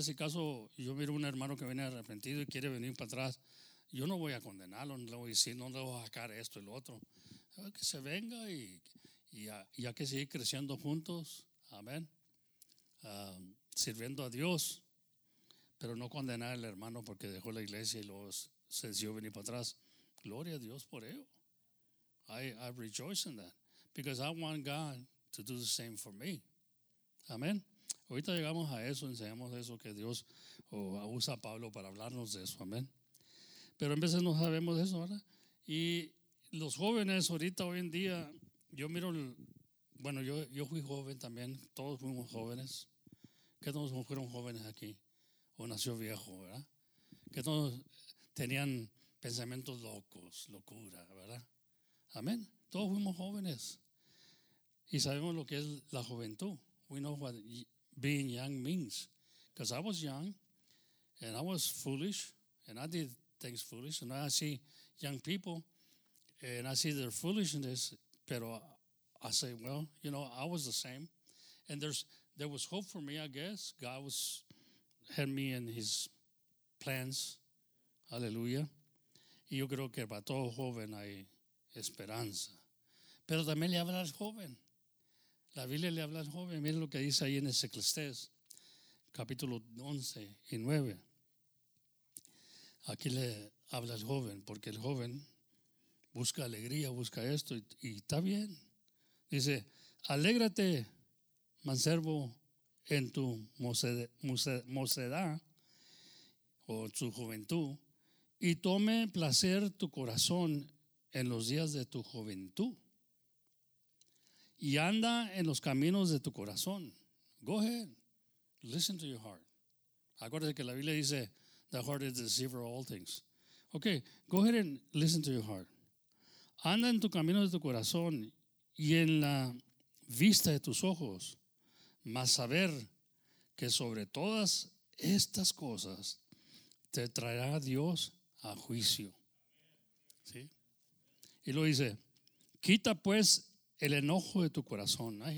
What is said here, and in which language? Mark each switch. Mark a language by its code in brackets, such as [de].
[es] Si caso yo miro a un hermano que viene arrepentido y quiere venir para atrás, yo no voy a condenarlo, no le voy a decir, no le voy a sacar esto y lo otro. Que se venga y hay que seguir creciendo juntos, amén, sirviendo a Dios, pero no condenar al hermano porque dejó la iglesia y luego se decidió venir para atrás. Gloria a Dios por ello. [en] I rejoice in that because I want God to do the same for me. [es] Amén. Ahorita llegamos a eso, enseñamos eso que Dios usa a Pablo para hablarnos de eso, amén. Pero en veces no sabemos de eso, ¿verdad? Y los jóvenes ahorita, hoy en día, yo miro, yo fui joven también, todos fuimos jóvenes. ¿Qué todos fueron jóvenes aquí? ¿O nació viejo, verdad? ¿Qué todos tenían pensamientos locos, locura, verdad? Amén. Todos fuimos jóvenes y sabemos lo que es la juventud. [en] We know what being young means, because I was young and I was foolish and I did things foolish, and I see young people and I see their foolishness, [es] pero [en] I say, well, you know, I was the same, and there was hope for me, I guess. God was had me in his plans. Hallelujah. [es] Y yo creo que para todo joven hay esperanza. Pero también le habla al joven. La Biblia le habla al joven. Miren lo que dice ahí en Eclesiastés, capítulo 11 y 9. Aquí le habla al joven, porque el joven busca alegría, busca esto, y está bien. Dice, alégrate, mancebo, en tu mocedad o tu juventud, y tome placer tu corazón en los días de tu juventud. Y anda en los caminos de tu corazón. [en] Go ahead. Listen to your heart. [es] Acuérdate que la Biblia dice, [en] the heart is the deceiver of all things. Okay, go ahead and listen to your heart. [es] Anda en tu camino de tu corazón y en la vista de tus ojos. Mas saber que sobre todas estas cosas te traerá Dios a juicio. ¿Sí? Y lo dice, quita pues el enojo de tu corazón.